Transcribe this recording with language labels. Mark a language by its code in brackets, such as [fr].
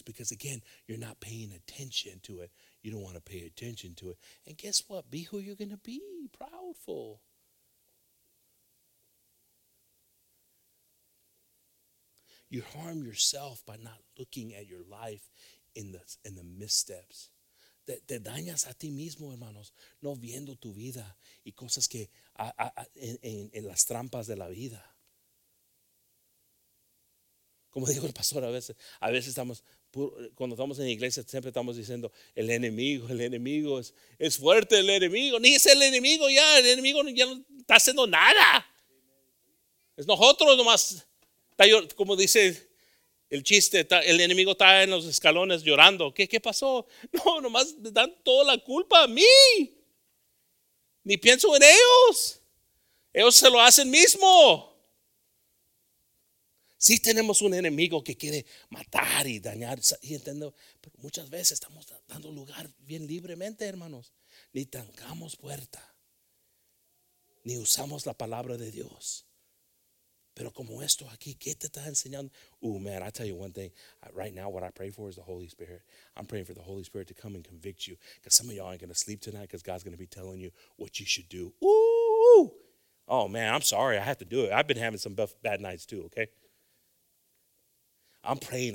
[en] Because again, you're not paying attention to it. You don't want to pay attention to it. And guess what? Be who you're going to be. Proudful. You harm yourself by not looking at your life in the missteps. [es] Te dañas a ti mismo, hermanos, no viendo tu vida y cosas que en las trampas de la vida. Como dijo el pastor, a veces estamos, cuando estamos en la iglesia, siempre estamos diciendo, el enemigo es fuerte, el enemigo. Ni es el enemigo ya no está haciendo nada. Es nosotros nomás, como dice el chiste, el enemigo está en los escalones llorando. ¿Qué pasó? No, nomás dan toda la culpa a mí. Ni pienso en ellos. Ellos se lo hacen mismo. Sí tenemos un enemigo que quiere matar y dañar. Y entiendo, pero muchas veces estamos dando lugar bien libremente, hermanos. Ni trancamos puerta. Ni usamos la palabra de Dios. Pero como esto aquí, ¿qué te está enseñando? [en] Oh man, I tell you one thing. Right now, what I pray for is the Holy Spirit. I'm praying for the Holy Spirit to come and convict you. Because some of y'all ain't going to sleep tonight because God's going to be telling you what you should do. Ooh. Oh man, I'm sorry. I have to do it. I've been having some bad nights too, okay? I'm praying.